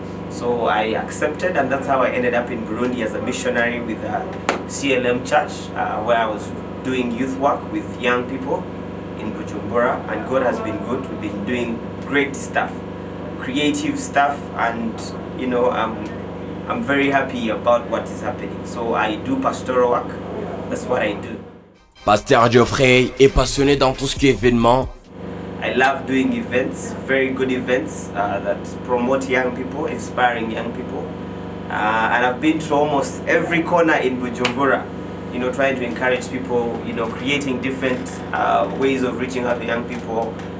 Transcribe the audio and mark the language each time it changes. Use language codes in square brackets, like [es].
[en] So I accepted, and that's how I ended up in Burundi as a missionary with a CLM church, where I was doing youth work with young people in Bujumbura. And God has been good. We've been doing great stuff, creative stuff, and you know, I'm very happy about what is happening. So I do pastoral work. That's what I do. [fr] Pasteur Geoffrey est passionné dans tout ce qui est événement. [en] I love doing events, very good events that promote young people, inspiring young people. And I've been to almost every corner in Bujumbura, you know, trying to encourage people, you know, creating different ways of reaching out to young people.